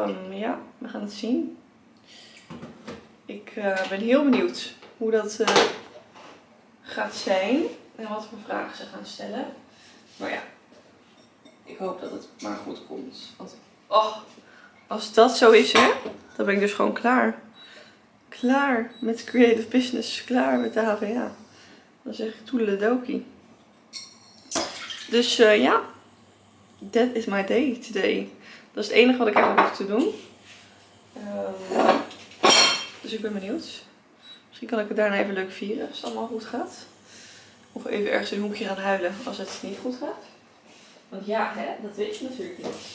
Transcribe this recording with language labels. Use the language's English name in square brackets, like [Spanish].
[Dutch] Ja, we gaan het zien. Ik ben heel benieuwd hoe dat gaat zijn en wat voor vragen ze gaan stellen. Maar ja, ik hoop dat het maar goed komt. Want oh, als dat zo is, hè, dan ben ik dus gewoon klaar. Klaar met creative business, klaar met de HVA. Dan zeg ik toedeledokie. Dus ja, [English] that is my day today. [Dutch] Dat is het enige wat ik eigenlijk hoef te doen. Dus ik ben benieuwd. Misschien kan ik het daarna even leuk vieren als het allemaal goed gaat. Of even ergens in een hoekje gaan huilen als het niet goed gaat. Want ja, hè, dat weet je natuurlijk niet.